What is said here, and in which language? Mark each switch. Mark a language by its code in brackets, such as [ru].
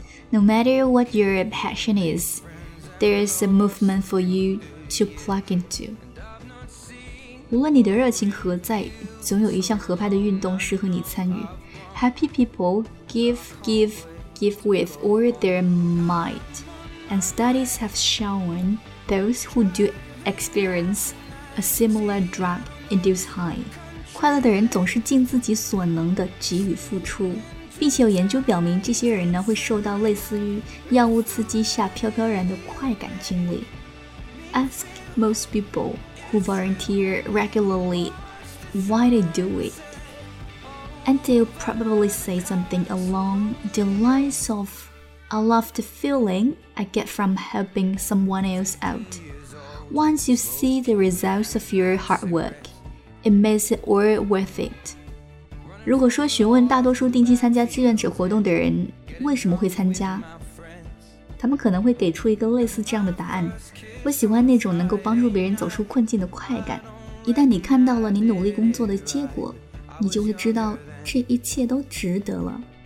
[en] No matter what your passion is， there is a movement for you to plug into。 [zh] 无论你的热情何在，总有一项合拍的运动适合你参与。 [en] Happy people give, give, give with all their might， And studies have shown those who do experience a similar drug-induced high。 [zh] 快乐的人总是尽自己所能的给予付出，并且有研究表明，这些人呢会受到类似于药物刺激下飘飘然的快感经历。 [en] Ask most people who volunteer regularly why they do it, and they'll probably say something along the lines of, "I love the feeling I get from helping someone else out." Once you see the results of your hard work. It makes it all worth it. [zh] 如果说询问大多数定期参加志愿者活动的人为什么会参加，他们可能会给出一个类似这样的答案。我喜欢那种能够帮助别人走出困境的快感。一旦你看到了你努力工作的结果，你就会知道这一切都值得了。